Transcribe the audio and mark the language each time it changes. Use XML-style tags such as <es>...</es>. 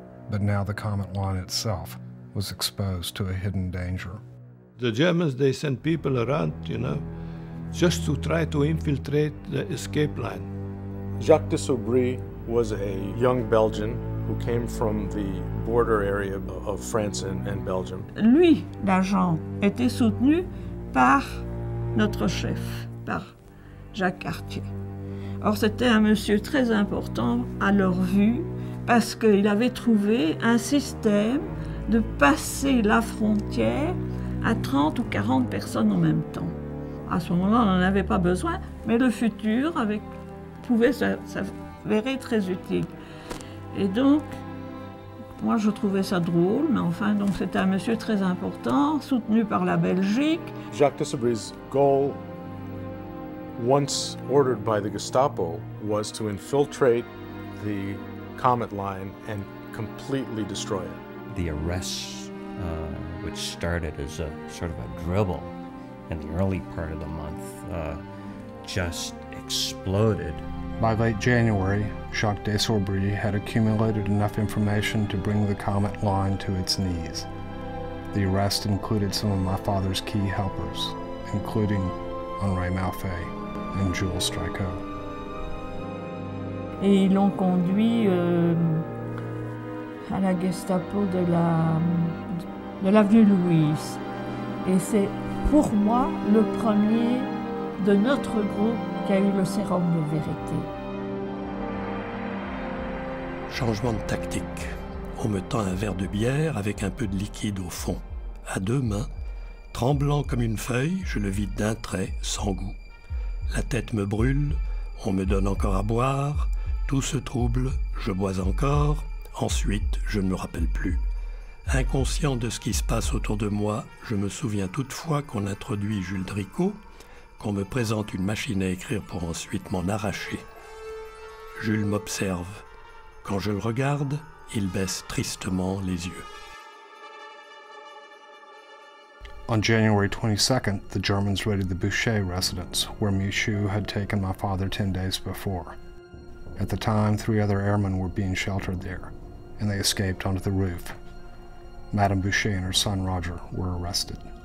<en>But now the Comet Line itself was exposed to a hidden danger. The Germans, they sent people around, you know, just to try to infiltrate the escape line. Jacques de Sobry was a young Belgian who came from the border area of France and Belgium.</en> <fr>Lui, l'agent, était soutenu par notre chef, par Jacques Cartier. Or, c'était un monsieur très important à leur vue parce qu'il avait trouvé un système de passer la frontière à 30 ou 40 personnes en même temps. À ce moment-là, on n'en avait pas besoin, mais le futur pouvait s'avérer très utile. Et donc, moi, je trouvais ça drôle, mais enfin, donc c'était un monsieur très important, soutenu par la Belgique.</fr> <en>Jacques de Sobry's goal, once ordered by the Gestapo, was to infiltrate the Comet Line and completely destroy it. The arrests, which started as a sort of a dribble in the early part of the month, just exploded. By late January, Jacques de Sobry had accumulated enough information to bring the Comet Line to its knees. The arrest included some of my father's key helpers, including Henri Malfay and Jules Stricot.</en> <fr>Et ils l'ont conduit à la Gestapo de la... de l'avenue Louise, et c'est pour moi le premier de notre groupe qui a eu le sérum de vérité. Changement de tactique. On me tend un verre de bière avec un peu de liquide au fond. À deux mains, tremblant comme une feuille, je le vide d'un trait, sans goût. La tête me brûle, on me donne encore à boire, tout se trouble, je bois encore, ensuite je ne me rappelle plus. Inconscient de ce qui se passe autour de moi, je me souviens toutefois qu'on introduit Jules Dricot, qu'on me présente une machine à écrire pour ensuite m'en arracher. Jules m'observe. Quand je le regarde, il baisse tristement les yeux.</fr> <en>On January 22nd, the Germans raided the Boucher residence, where Michu had taken my father 10 days before. At the time, three other airmen were being sheltered there, and they escaped onto the roof. Madame Boucher and her son Roger were arrested.</en>